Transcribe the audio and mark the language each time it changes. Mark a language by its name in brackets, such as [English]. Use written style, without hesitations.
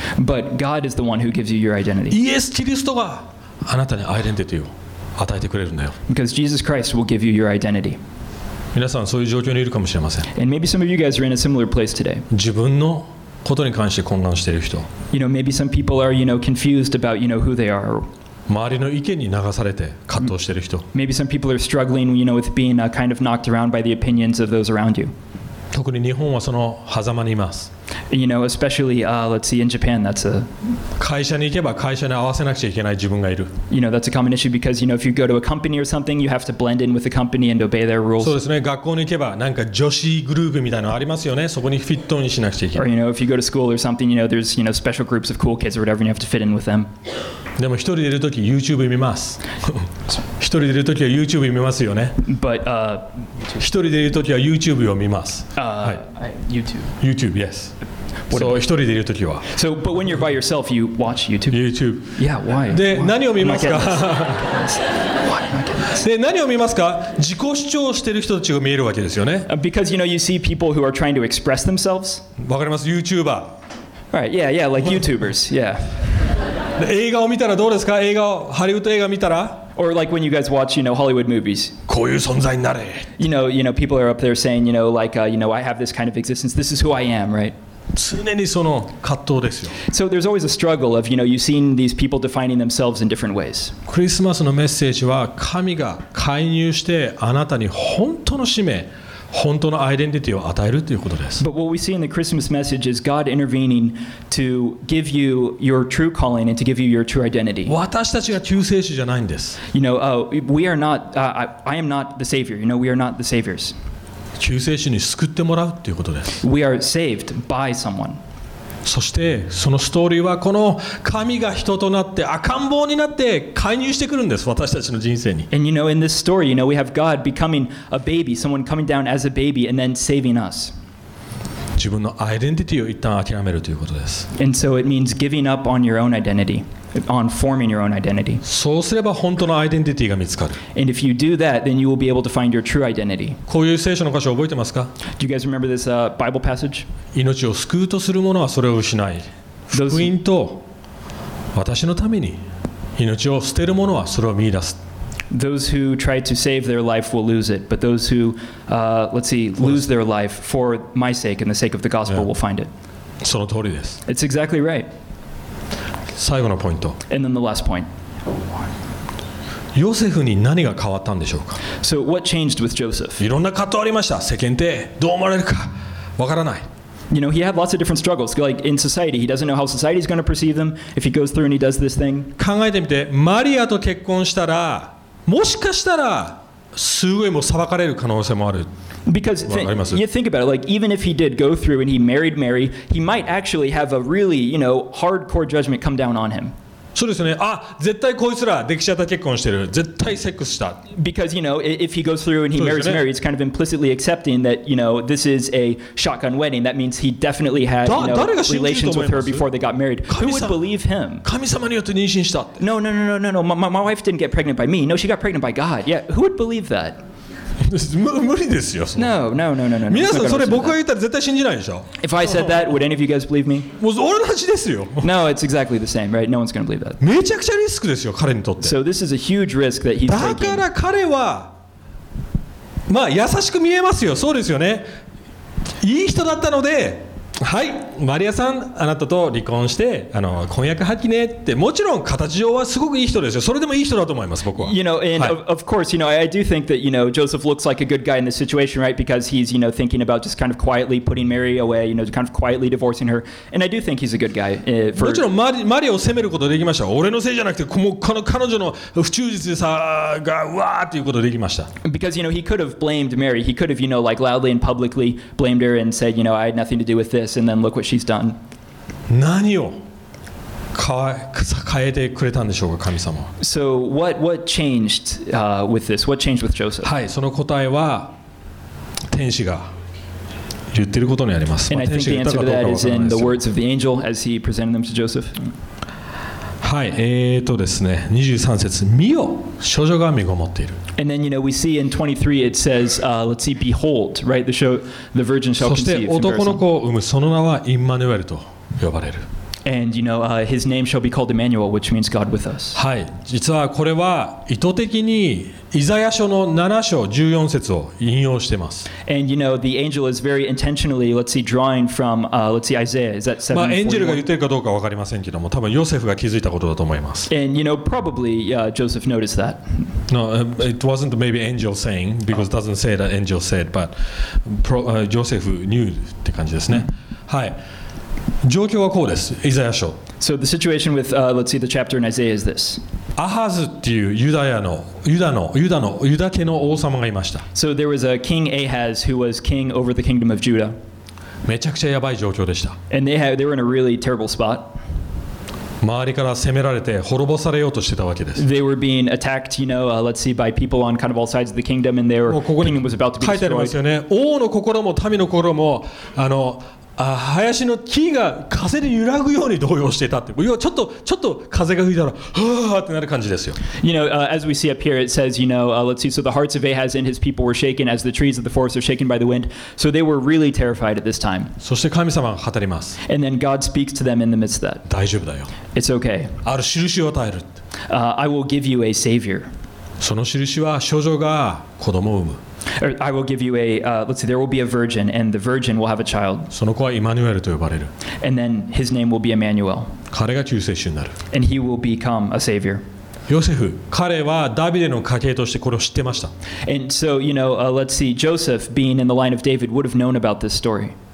[English] But God is the one who gives you your identity. [Japanese] イエス・キリストがあなたにアイデンティティを与えてくれるんだよ。 [English] Because Jesus Christ will give you your identity. [Japanese] 皆さんそういう状況にいるかもしれません。 [English] And maybe some of you guys are in a similar place today. [Japanese] 自分のことに関して混乱している人。 [English] You know, maybe some people are, you know, confused about, you know, who they are. [Japanese] 周りの意見に流されて葛藤している人。 [English] Maybe some people are struggling, you know, with being kind of knocked around by the opinions of those around you. [Japanese] 特に日本はその狭間にいます。 [English] You know, especially, let's see, in Japan, that's a [Japanese] 会社に行けば会社に合わせなくちゃいけない自分がいる。 [English] You know, that's a common issue because, you know, if you go to a company or something, you have to blend in with the company and obey their rules. [Japanese] そうですね。学校に行けばなんか女子グループみたいなのありますよね。そこにフィットにしなくちゃいけない。 [English] Or, you know, if you go to school or something, you know, there's, you know, special groups of cool kids or whatever, and you have to fit in with them. [Japanese] でも一人でいるとき YouTube 見ます。一人でいるときは YouTube 見ますよね。 [English] But, [Japanese] 一人でいるときは YouTube を見ます。 [English] YouTube. YouTube, yes. [Japanese] So, 一人でいるときは。 [English] So, but when you're by yourself, you watch YouTube. YouTube. Yeah, why? [Japanese] で、 [English] why? [Japanese] 何を見ますか? で、何を見ますか? 自己主張している人たちが見えるわけですよね。 [English] Because, you know, you see people who are trying to express themselves. [Japanese] わかります?YouTuber. [English] Right, yeah, yeah, like YouTubers, yeah. [Japanese] で、映画を見たらどうですか?映画を、ハリウッド映画見たら? [English] Or like when you guys watch, you know, Hollywood movies. [Japanese] こういう存在になれ。 [English] You know, people are up there saying, you know, like, you know, I have this kind of existence. This is who I am, right? [Japanese] 常にその葛藤ですよ。 [English] So there's always a struggle of, you know, you've seen these people defining themselves in different ways. [Japanese] クリスマスのメッセージは神が介入してあなたに本当の使命、本当のアイデンティティを与えるということです。 [English] But what we see in the Christmas message is God intervening to give you your true calling and to give you your true identity. [Japanese] 私たちが救世主じゃないんです。 [English] You know, we are not, I am not the savior. You know, we are not the saviors. [Japanese] 救世主に救ってもらうということです。 [English] We are saved by someone. [Japanese] そしてそのストーリーはこの神が人となって赤ん坊になって介入してくるんです私たちの人生に。 [English] And you know, in this story, you know, we have God becoming a baby, someone coming down as a baby and then saving us. [Japanese] 自分のアイデンティティを一旦諦めるということです。 [English] And so it means giving up on your own identity. On forming your own identity. [Japanese] そうすれば本当のアイデンティティが見つかる。 [English] And if you do that, then you will be able to find your true identity. [Japanese] こういう聖書の箇所覚えてますか? [English] Do you guys remember this Bible passage? [Japanese] 命を救うとする者はそれを失い。 福音と私のために命を捨てる者はそれを見出す。 [English] Those who try to save their life will lose it, but those who, lose their life for my sake and the sake of the gospel will find it. [Japanese] その通りです。 [English] It's exactly right. [Japanese] 最後のポイント。 [English] And then the last point. [Japanese] ヨセフに何が変わったんでしょうか? [English] So what changed with Joseph? [Japanese] いろんな葛藤ありました。世間体どう思われるかわからない。 [English] You know, he had lots of different struggles. Like in society, he doesn't know how society is going to perceive him if he goes through and he does this thing. [Japanese] 考えてみて、マリアと結婚したら、もしかしたら、すごいもう裁かれる可能性もある。 [English] Because you think about it, like even if he did go through and he married Mary, he might actually have a really, you know, hardcore judgment come down on him. [Japanese] そうですね。あ、絶対こいつら、デキシャタ結婚してる。絶対セックスした。 [English] Because, you know, if he goes through and he marries Mary, it's kind of implicitly accepting that, you know, this is a shotgun wedding. That means he definitely had, you know, relations with her before they got married. Who would believe him? [Japanese] 神様によって妊娠したって。 [English] No. My wife didn't get pregnant by me. No, she got pregnant by God. Yeah, who would believe that? [Japanese] 無理ですよ。 [English] No. [Japanese] 皆さん、それ僕が言ったら絶対信じないでしょ。 [English] If I said that, would any of you guys believe me? [Japanese] もう俺たちですよ。 [English] No, it's exactly the same, right? No one's going to believe that. [Japanese] めちゃくちゃリスクですよ、彼にとって。 [English] So this is a huge risk that he's taking. [Japanese] だから彼は、まあ優しく見えますよ。そうですよね。いい人だったので、はい、マリアさん、あなたと離婚して、婚約破棄ねって、もちろん形上はすごくいい人ですよ。それでもいい人だと思います、僕は。 [English] You know, and of course, you know, I do think that, you know, Joseph looks like a good guy in this situation, right? Because he's, you know, thinking about just kind of quietly putting Mary away, you know, kind of quietly divorcing her. And I do think he's a good guy. [Japanese] もちろんマリアを責めることできました。俺のせいじゃなくて、この彼女の不忠実さが、うわーっていうことできました。 [English] Because, you know, he could have blamed Mary. He could have, you know, like loudly and publicly blamed her and said, you know, I had nothing to do with this. And then look what she's done. [Japanese] 何を変えてくれたんでしょうか、神様。 [English] So what changed with this? What changed with Joseph? [Japanese] はい、その答えは天使が言ってることにあります。 [English] And I think the answer to that is in the words of the angel as he presented them to Joseph. [Japanese] はい、ですね、23節、見よ、少女が身ごもっている。 [English] And then, you know, we see in 23, it says, behold, right? The virgin shall conceive. [Japanese] そして男の子を産む、その名はインマヌエルと呼ばれる。 [English] And, you know, his name shall be called Emmanuel, which means God with us. [Japanese] はい、実はこれは意図的にイザヤ書の7章14節を引用しています。 [English] And, you know, the angel is very intentionally, drawing from, Isaiah. Is that 7:41? [Japanese] まあ、エンジェルが言ってるかどうかわかりませんけども、多分ヨセフが気づいたことだと思います。 [English] And, you know, probably, Joseph noticed that. No, it wasn't maybe angel saying, because it doesn't say that angel said, but Joseph knew [Japanese] って感じですね。はい。状況はこうです。イザヤ書。 [English] So the situation with, the chapter in Isaiah is this. [Japanese] アハズっていうユダ家の王様がいました。 [English] So there was a king Ahaz who was king over the kingdom of Judah. [Japanese] めちゃくちゃやばい状況でした。 [English] And they were in a really terrible spot. [Japanese] 周りから攻められて滅ぼされようとしてたわけです。 [English] They were being attacked, you know, by people on kind of all sides of the kingdom, and their kingdom was about to be destroyed. [Japanese] 書いてありますよね。王の心も民の心も、林の木が風で揺らぐように動揺していたって、要はちょっと風が吹いたら、はーってなる感じですよ。 [English] You know, as we see up here, it says, you know, so the hearts of Ahaz and his people were shaken as the trees of the forest are shaken by the wind. So they were really terrified at this time. [Japanese] そして神様が語ります。 [English] And then God speaks to them in the midst of that. [Japanese] 大丈夫だよ。 [English] It's okay. [Japanese] ある印を与える。 [English] I will give you a savior. [Japanese] その印は少女が子供を産む。 [English] I will give you a, there will be a virgin, and the virgin will have a child. [Japanese] その子はイマヌエルと呼ばれる。 [English] And then his name will be Emmanuel. [Japanese] 彼が救世主になる。 [English] And he will become a savior. [Japanese] ヨセフ、彼はダビデの家系としてこれを知ってました。 [English] And so, you know, Joseph, being in the line of David, would have known about this story.